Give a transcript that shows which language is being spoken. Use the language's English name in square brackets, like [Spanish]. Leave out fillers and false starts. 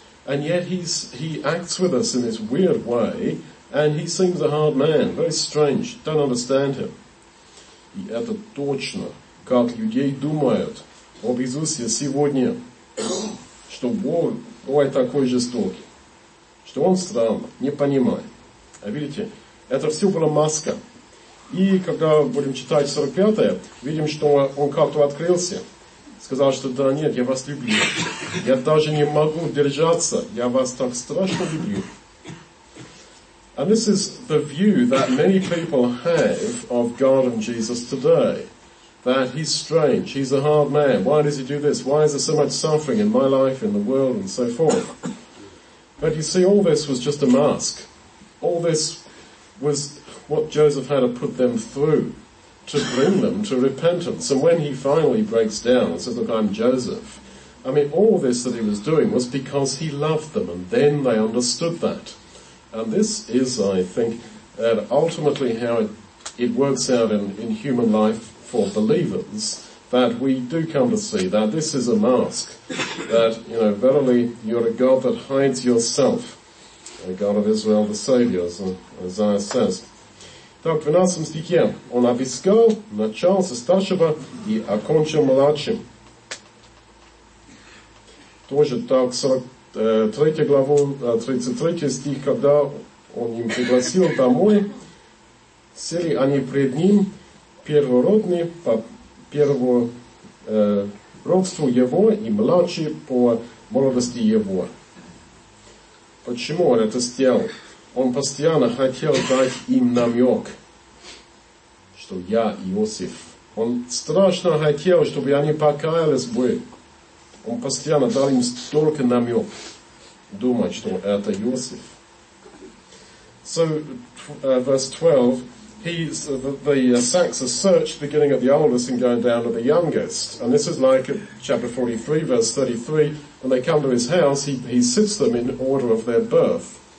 [English] And yet he acts with us in this weird way. And he seems a hard man. Very strange. Don't understand him. [Russian] И это точно, как людей думают об Иисусе сегодня, что Бог ой, такой жестокий, что он странный, не понимает. А видите, это все была маска. И когда будем читать 45-е, видим, что он как-то открылся, сказал, что да нет, я вас люблю. Я даже не могу держаться, я вас так страшно люблю. [English] And this is the view that many people have of God and Jesus today. That he's strange, he's a hard man, why does he do this, why is there so much suffering in my life, in the world, and so forth. But you see, all this was just a mask. All this was what Joseph had to put them through to bring them to repentance. And when he finally breaks down and says, look, I'm Joseph, I mean, all this that he was doing was because he loved them, and then they understood that. And this is, I think, ultimately how it works out in human life. For believers, that we do come to see that this is a mask, that, you know, verily you're a God that hides yourself, a God of Israel, the Savior, as Isaiah says. [Russian] Так, в 12 стихе он обыскал, начал со старшего и окончил младшим. Тоже так, 43 главу, 33 стих, когда он им пригласил домой, сели они пред ним, первородный по первородству его и младший по молодости его. Почему он это сделал? Он постоянно хотел дать им намек, что я Иосиф. Он страшно хотел, чтобы они покаялись бы. Он постоянно дал им столько намек, думать, что это Иосиф. [English] So, verse 12. The sacks are searched, beginning at the oldest and going down to the youngest. And this is like chapter 43, verse 33. When they come to his house, he sits them in order of their birth.